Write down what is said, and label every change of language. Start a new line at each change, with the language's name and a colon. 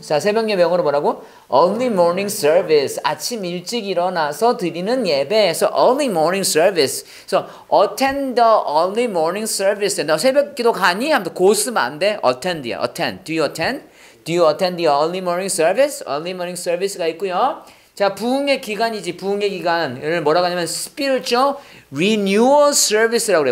Korean: 자, 새벽 예배 영어로 뭐라고?
English: Early morning service.
Korean: 아침 일찍 일어나서 드리는 예배에서
English: early morning service. So attend the early morning service.
Korean: 너 새벽 기도 가니? 아무튼 고 쓰면 안 돼. Attend야. Attend.
English: Do you attend the early morning service? Early morning service가
Korean: 있고요. 자, 부흥의 기간이지. 부흥의 기간을 뭐라고 하냐면
English: spiritual renewal service
Korean: 라고 그래.